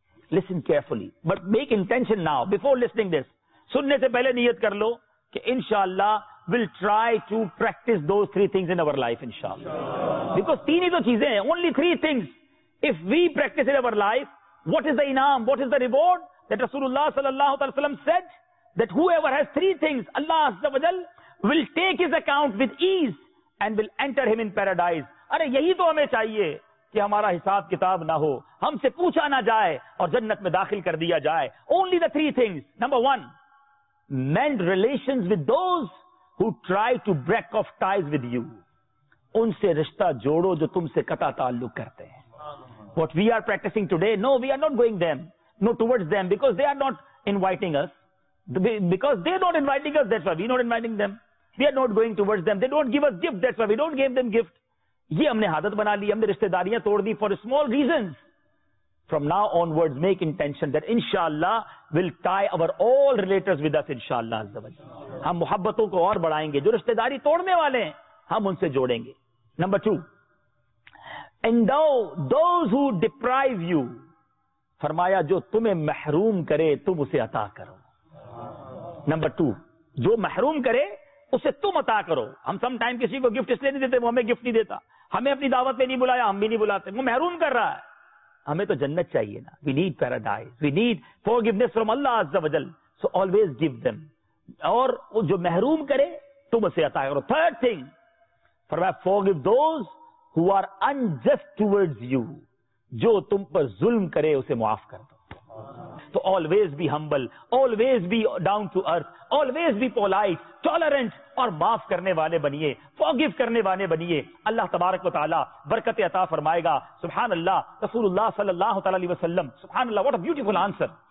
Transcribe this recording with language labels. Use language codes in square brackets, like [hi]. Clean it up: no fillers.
[en] Listen carefully, but make intention now before listening this. [ur] Sunne se pehle niyat kar lo ke inshallah [en] we'll try to practice those three things in our life inshallah. Because [ur] teen hi to cheeze hain, [en] only three things if we practice in our life, what is the inam, what is the reward? That Rasulullah sallallahu alaihi wasallam said that whoever has three things, Allah azza wa jal will take his account with ease and will enter him in paradise. Are yahi to hame chahiye [ur] کہ ہمارا حساب کتاب نہ ہو, ہم سے پوچھا نہ جائے اور جنت میں داخل کر دیا جائے. [en] Only the three things. Number one, mend relations with those who try to break off ties with you. [ur] ان سے رشتہ جوڑو جو تم سے قطع تعلق کرتے ہیں. [en] What we are practicing today, no, we are not going them, no, towards them, because they are not inviting us. Because they are not inviting us, that's why we are not inviting them. We are not going towards them. They don't give us gift, that's why we don't give them gift. [ur] یہ ہم نے عادت بنا لی, ہم نے رشتہ داریاں توڑ دی [en] for small reasons. From now onwards make intention that inshallah will tie our all relators with us inshallah. [ur] ہم محبتوں کو اور بڑھائیں گے, جو رشتہ داری توڑنے والے ہیں ہم ان سے جوڑیں گے. [en] Number two, endow those who deprive you. [ur] فرمایا جو تمہیں محروم کرے تم اسے عطا کرو. Number two, جو محروم کرے اسے تم عطا کرو. ہم سم ٹائم کسی کو گفٹ اس لیے نہیں دیتے, وہ ہمیں گفٹ نہیں دیتا, ہمیں اپنی دعوت میں نہیں بلایا, ہم بھی نہیں بلاتے, وہ محروم کر رہا ہے. ہمیں تو جنت چاہیے نا. [en] We need paradise, we need forgiveness from Allah عز و جل. So always give them. [ur] اور وہ جو محروم کرے تم اسے عطا کرو. [en] Third thing, فرمایا forgive those who are unjust towards you. [ur] جو تم پر ظلم کرے اسے معاف کر دو. [en] So always be humble, always be down to earth, always be polite, tolerant, [ur] اور معاف کرنے والے بنیے, [en] forgive کرنے والے بنیے. [ur] اللہ تبارک و تعالی برکت عطا فرمائے گا. سبحان اللہ, رسول اللہ صلی اللہ علیہ وسلم, سبحان اللہ, [en] what a beautiful answer.